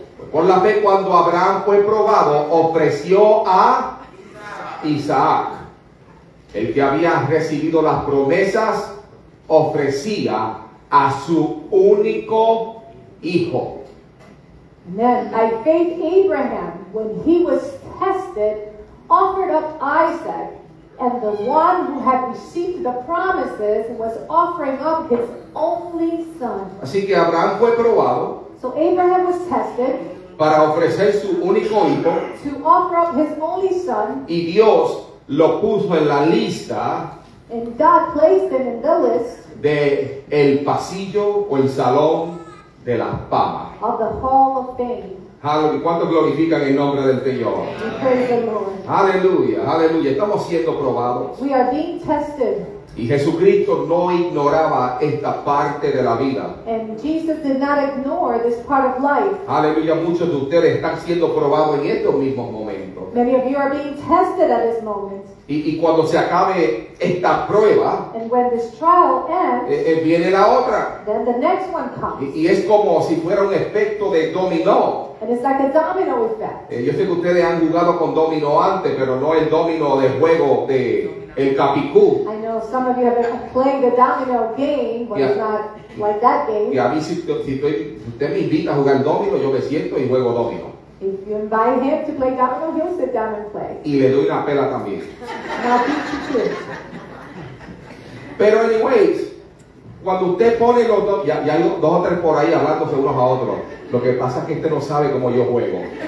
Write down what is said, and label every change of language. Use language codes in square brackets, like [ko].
[es] Por la fe, cuando Abraham fue probado, ofreció a Isaac. El que había recibido las promesas, ofrecía a su único hijo. [en] Then, by faith, Abraham, when he was tested, offered up Isaac, and the one who had received the promises was offering up his only son. [es] Así que Abraham fue probado. [en] So Abraham was tested. [es] Para ofrecer su único hijo. [en] To offer up his only son. [es] Y Dios lo puso en la lista. [en] And God placed him in the list. [es] De el pasillo o el salón de la fama. [en] Of the hall of fame. [es] Hallelujah. ¿Cuántos glorifican el nombre del Señor? Aleluya, aleluya. Estamos siendo probados. [en] We are being tested. [es] Y Jesucristo no ignoraba esta parte de la vida. [en] And Jesus did not ignore this part of life. [es] Aleluya, muchos de ustedes están siendo probados en estos mismos momentos. [en] Many of you are being tested at this moment. [es] Y cuando se acabe esta prueba, [en] and when this trial ends, [es] viene la otra. [en] Then the next one comes. [es] Y es como si fuera un efecto de dominó. [en] And it's like a domino effect. [es] Yo sé que ustedes han jugado con dominó antes, pero no el dominó de juego de el capicú. [en] I know some of you have been playing the domino game, but it's not like that game. [es] Y a mí si usted me invita a jugar domino, yo me siento y juego domino. [en] If you invite him to play domino, he'll sit down and play. [es] Y le doy una pela también. [en] Now beat you too. [es] Pero anyways, cuando usted pone los dos, ya hay dos o tres por ahí hablándose unos a otros. Lo que pasa es que este no sabe cómo yo juego.